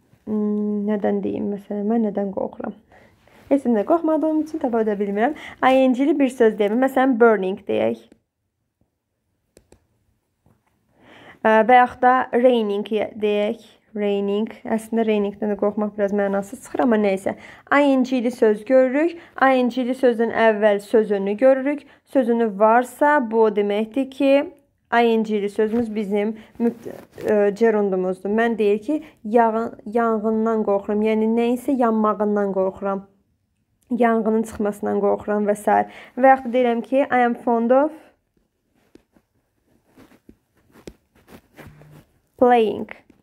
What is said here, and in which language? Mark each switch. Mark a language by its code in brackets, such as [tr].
[az] Nədən deyim, məsələn, mən nədən qorxuram? Heçimdə qorxmadığım üçün tapa edə bilmirəm. Ing-li bir söz deyəm. Məsələn, burning deyək. Və yaxud da raining deyək. Raining. Əslində, raining-dən də qorxmaq biraz mənasız çıxır, amma nəysə. Ing-li söz görürük. Ing-li sözün əvvəl sözünü görürük. Sözünü varsa, bu o deməkdir ki, ing-li sözümüz bizim gerundumuzdur. Mən deyir ki, yanğından qorxuram. Yəni, nəysə yanmağından qorxuram. Yanğının çıxmasından qorxuram və s. Və yaxud da deyirəm ki, [en] I am fond of playing.